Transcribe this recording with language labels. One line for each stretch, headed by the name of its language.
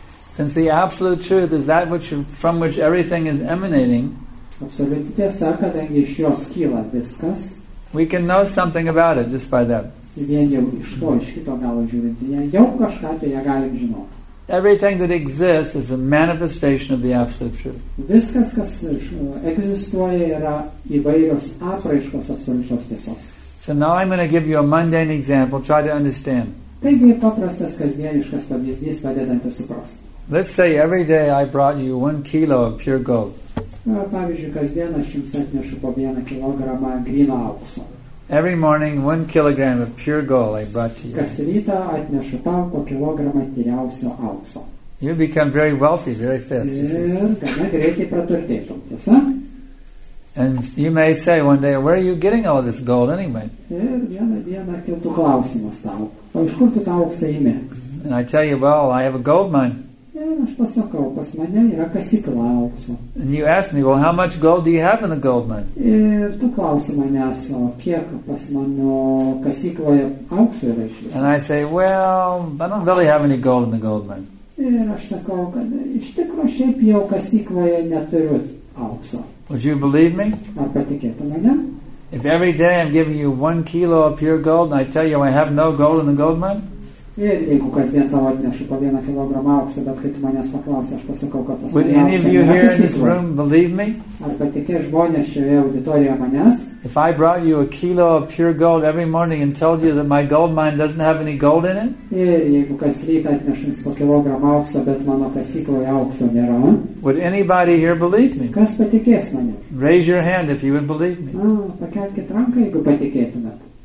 English: Since the absolute truth is that which from which everything is emanating, we can know something about it just by that. Everything that exists is a manifestation of the absolute truth.
Lithuanian: Viskas, kas egzistuoja, yra įvairios apraiškos absoliučios tiesos.
English: So now I'm going to give you a mundane example. Try to understand.
Lithuanian: Taigi, paprastas, kasdieniškas pavyzdys, padedantis suprasti.
English: Let's say every day I brought you 1 kilo of pure gold.
Lithuanian: Pavyzdžiui, kasdien aš jums atnešu po 1 kilogramą gryno aukso.
English: Every morning, 1 kilogram of pure gold I brought to you.
Lithuanian: Kas rytą atnešu tau po kilogramą tyriausio aukso.
English: You become very wealthy very fast.
Lithuanian: Ir gana greitai praturtėtum, tiesa?
English: And you may say one day, where are you getting all this gold anyway?
Lithuanian: Ir vieną dieną kiltų klausimas tau. O iš kur tu tą auksą imi?
English: And I tell you, well, I have a gold mine.
Lithuanian: Ir aš pasakau, pas mane yra kasykla aukso.
English: And you ask me, well, how much gold do you have in the gold mine?
Lithuanian: Ir tu klausi manęs, o kiek pas mano kasykloje aukso yra iš viso?
English: And I say, well, I don't really have any gold in the gold mine.
Lithuanian: Ir aš sakau, kad iš tikrųjų šiaip jau kasykloje neturiu aukso.
English: Would you believe me?
Lithuanian: Ar patikėtų mane?
English: If every day I'm giving you 1 kilo of pure gold and I tell you I have no gold in the gold mine?
Lithuanian: Ir jeigu kasdien tau atnešu po vieną kilogramą aukso, bet kai tu manęs paklausi, aš pasakau, kad tas
English: Would any of you here in this room believe me?
Lithuanian: Ar patikė žmonės šioje auditorijoje manęs?
English: If I brought you a kilo of pure gold every morning and told you that my gold mine doesn't have any gold in it?
Lithuanian: Ir jeigu kas rytą atnešu po kilogramą aukso, bet mano kasykloje aukso nėra?
English: Would anybody here believe me?
Lithuanian: Kas patikės manęs?
English: Raise your hand if you would believe me.
Lithuanian: Pakelkit ranką, jeigu patikėtumėt.